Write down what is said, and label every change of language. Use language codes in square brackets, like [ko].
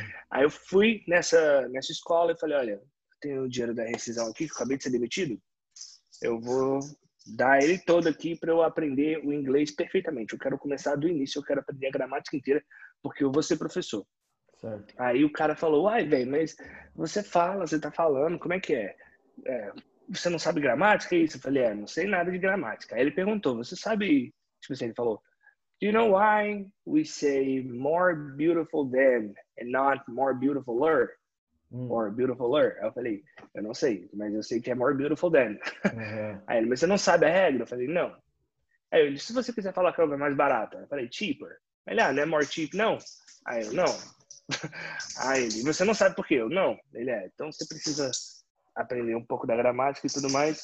[pt] Aí eu fui nessa escola e falei, olha, eu tenho o dinheiro da rescisão aqui, que eu acabei de ser demitido, eu vou dar ele todo aqui para eu aprender o inglês perfeitamente. Eu quero começar do início, eu quero aprender a gramática inteira, porque eu vou ser professor. Certo. Aí o cara falou: Uai, velho, mas você fala, você tá falando, como é que é? Você não sabe gramática? E isso? Eu falei: não sei nada de gramática. Aí ele perguntou: Você sabe? Tipo assim, ele falou: [en] Do you know why we say more beautiful than and not more beautifuler? More beautifuler? [pt] Aí eu falei, eu não sei, mas eu sei que é [en] more beautiful than. [pt] Aí ele, mas você não sabe a regra? Eu falei, não. Aí ele, se você quiser falar que é mais barata? Eu falei, cheaper. Ele, não é more cheap, não? Aí eu, não. Aí ele, você não sabe por quê? Eu, não. Ele, então você precisa aprender um pouco da gramática e tudo mais.